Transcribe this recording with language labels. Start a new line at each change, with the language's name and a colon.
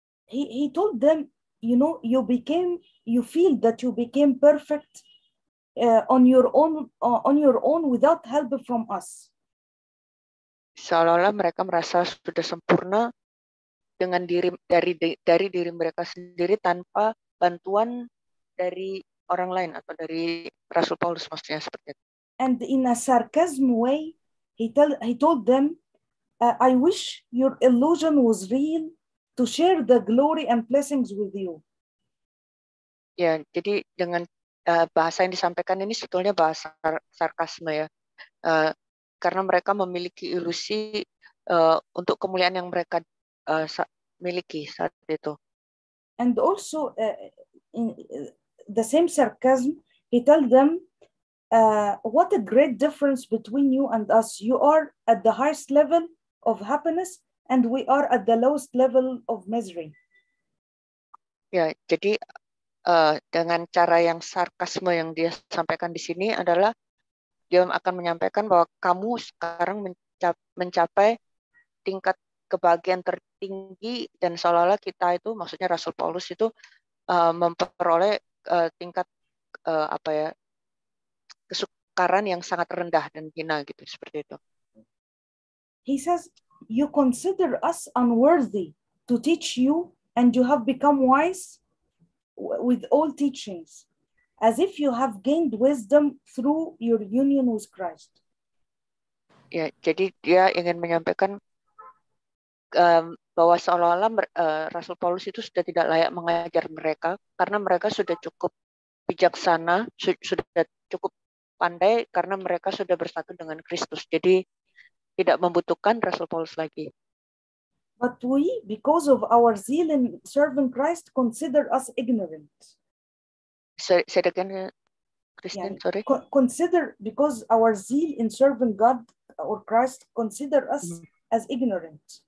English: He told them, you know, you feel that you became perfect on your own without help from us.
Indonesian: Seolah-olah mereka merasa sudah sempurna dengan diri dari diri mereka sendiri tanpa bantuan dari orang lain atau dari Rasul Paulus, maksudnya seperti itu.
English: And in a sarcasm way, he told them, "I wish your illusion was real to share the glory and blessings with you."
Indonesian: Ya, jadi dengan bahasa yang disampaikan ini sebetulnya bahasa sarkasme ya. Karena mereka memiliki ilusi untuk kemuliaan yang mereka miliki saat itu.
English: And also in the same sarcasm, he tell them, "What a great difference between you and us. You are at the highest level of happiness, and we are at the lowest level of misery."
Indonesian: Ya, jadi dengan cara yang sarkasme yang dia sampaikan di sini adalah dia akan menyampaikan bahwa kamu sekarang mencapai tingkat kebahagiaan tertinggi, dan seolah-olah kita itu, maksudnya Rasul Paulus itu memperoleh tingkat apa ya, kesukaran yang sangat rendah dan hina gitu, seperti itu.
English: He says, "You consider us unworthy to teach you, and you have become wise with all teachings, as if you have gained wisdom through your union with Christ."
Indonesian: Ya, jadi dia ingin menyampaikan bahwa seolah-olah Rasul Paulus itu sudah tidak layak mengajar mereka, karena mereka sudah cukup bijaksana, sudah cukup pandai, karena mereka sudah bersatu dengan Kristus. Jadi tidak membutuhkan Rasul Paulus lagi.
English: But we, because of our zeal in serving Christ, consider us ignorant. Say it again, Christine, yeah. Sorry. Consider, because our zeal in serving God or Christ, consider us as ignorant.